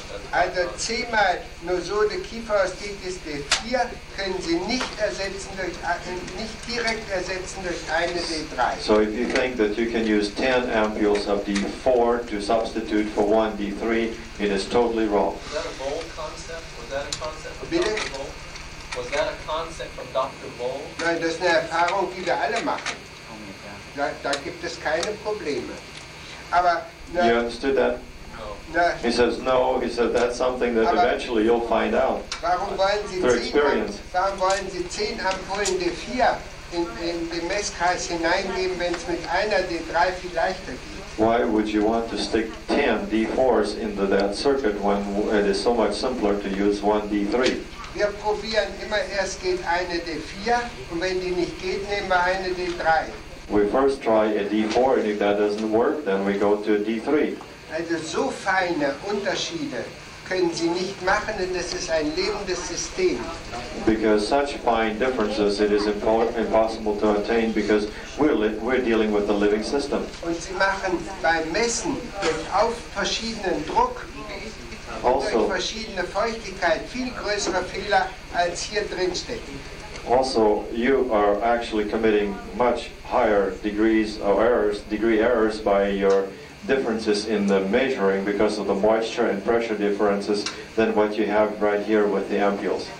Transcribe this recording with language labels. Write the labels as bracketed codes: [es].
[de] Also 10 mal Nosode Kieferostitis D4 können Sie nicht ersetzen durch nicht direkt ersetzen durch eine D3. [en] So if you think that you can use 10 ampules of D4 to substitute for one D3, it is totally wrong. Was that a bold concept? Was that a concept from Bitte? Dr. Bold? Was that a concept from Dr. Bold? [de] Nein, das ist eine Erfahrung, die wir alle machen. Da gibt es keine Probleme. Aber [en] you understood that? No. He says, no. He said, that's something that eventually you'll find out through experience. [de] Warum wollen Sie 10 Ampullen D4 in den Messkreis hineingeben, wenn es mit einer D3 viel leichter geht? [en] Why would you want to stick 10 D4s into that circuit when it is so much simpler to use one D3? [de] Wir probieren immer erst geht eine D4 und wenn die nicht geht, nehmen wir eine D3. [en] We first try a D4, and if that doesn't work, then we go to a D3. [de] Also so feine Unterschiede können Sie nicht machen, denn das ist ein lebendes System. [en] Because such fine differences, it is impossible to attain, because we're dealing with a living system. [de] Und Sie machen beim Messen auf verschiedenen Druck also, durch verschiedene Feuchtigkeit viel größere Fehler als hier drinstecken. [en] Also, you are actually committing much higher degree errors by your differences in the measuring because of the moisture and pressure differences than what you have right here with the ampules.